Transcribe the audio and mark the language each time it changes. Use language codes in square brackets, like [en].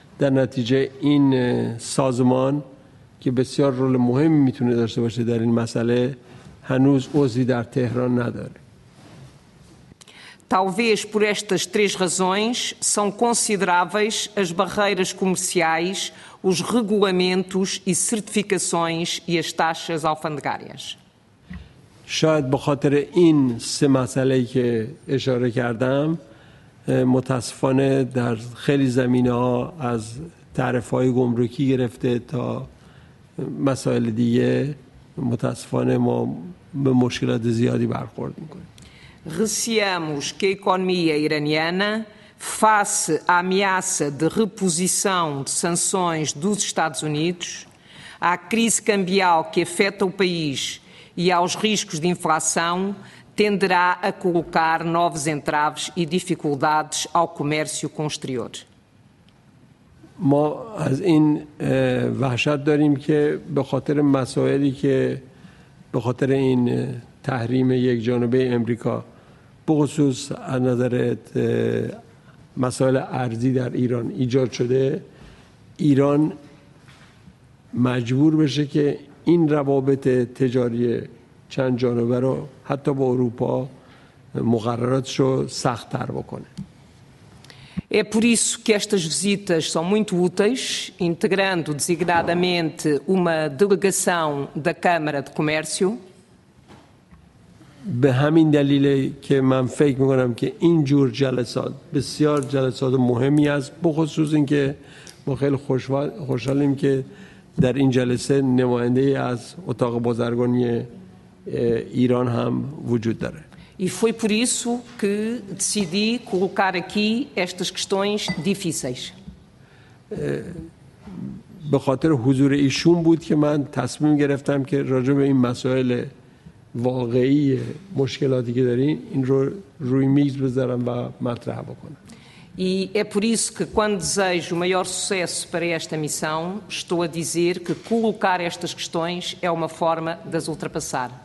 [fa] در نتیجه این سازمان که بسیار رول مهمی میتونه داشته باشه در این مسئله هنوز عضوی در تهران نداره. [pt] Talvez por estas três razões são consideráveis as barreiras comerciais, os regulamentos e certificações e as taxas alfandegárias. [fa] شاید به خاطر این سه مسئله که اشاره کردم متاسفانه در خیلی زمینه‌ها از تعرفه‌های گمرکی گرفته تا مسائل دیگه متاسفانه ما به مشکلات زیادی برخورد می‌کنیم. [pt] Receamos que a economia iraniana face à ameaça de reposição de sanções dos Estados Unidos, à crise cambial que afeta o país e aos riscos de inflação tenderá a colocar novos entraves e dificuldades ao comércio com o exterior. [fa] ما از این وحشت داریم که به خاطر مسائلی که به خاطر این تحریم یک جانبه امریکا بخصوص از نظر مسائل ارضی در ایران ایجاد شده ایران مجبور بشه که این روابط تجاری چند جانبه رو حتی با اروپا مقرراتش رو سخت‌تر بکنه. [pt] É por isso que estas visitas são muito úteis, integrando designadamente uma delegação da Câmara de Comércio. [fa] به همین دلیله که من فکر می‌کنم که این جور جلسات بسیار جلسات مهمی است، بخصوص اینکه ما خیلی خوشحالیم که در این جلسه نماینده‌ای از اتاق بازرگانی ایران هم وجود داره. [pt] E foi por isso que decidi colocar aqui estas questões difíceis. [fa] به خاطر حضور ایشون بود که من تصمیم گرفتم که راجع به این مسائل واقعی مشکلاتی که دارین این رو روی میز بذارم و مطرح بکنم. [pt] E é por isso que quando desejo o maior sucesso para esta missão, estou a dizer que colocar estas questões é uma forma de as ultrapassar.